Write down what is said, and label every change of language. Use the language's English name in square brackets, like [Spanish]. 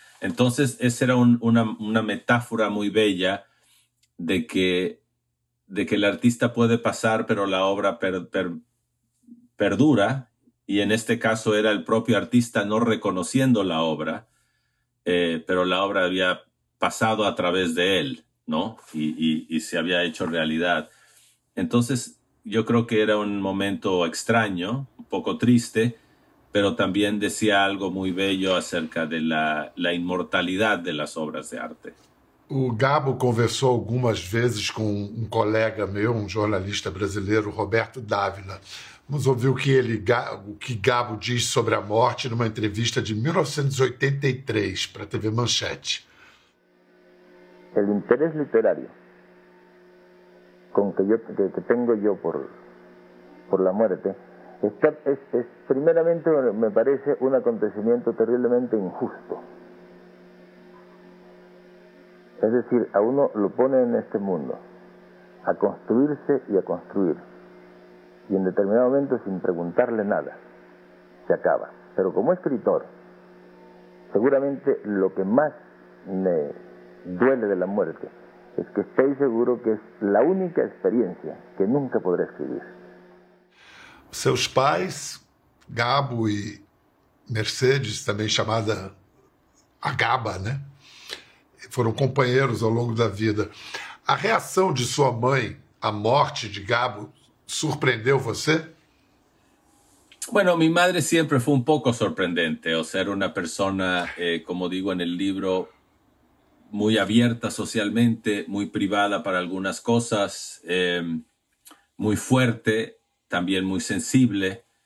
[Spanish] Entonces, esa era una metáfora muy bella de que el artista puede pasar, pero la obra perdura, y en este caso era el propio artista no reconociendo la obra, pero la obra había pasado a través de él, ¿no? Y se había hecho realidad. Entonces, yo creo que era un momento extraño, un poco triste, pero también decía algo muy bello acerca de la inmortalidad de las obras de arte. [Portuguese] O Gabo conversou algumas vezes com um colega meu, um jornalista brasileiro, Roberto Dávila. Vamos ouvir o que Gabo diz sobre a morte numa entrevista de 1983 para a TV Manchete. [Spanish] El interés literario que tengo yo por la muerte es primeramente, me parece, un acontecimiento terriblemente injusto. Es decir, a uno lo pone en este mundo a construirse y a construir. Y en determinado momento, sin preguntarle nada, se acaba. Pero como escritor, seguramente lo que más me duele de la muerte es que estoy seguro que es la única experiencia que nunca podré escribir. [Portuguese] Seus pais, [Spanish] Gabo y Mercedes, también llamada Agaba, ¿no? [Portuguese] Foram companheiros ao longo da vida. A reação de sua mãe à morte de Gabo surpreendeu você? [Spanish] Bueno, mi madre siempre fue un poco sorprendente. O sea, era una persona, como digo en el libro, muy abierta socialmente, muy privada para algunas cosas, muy fuerte, también muy sensible.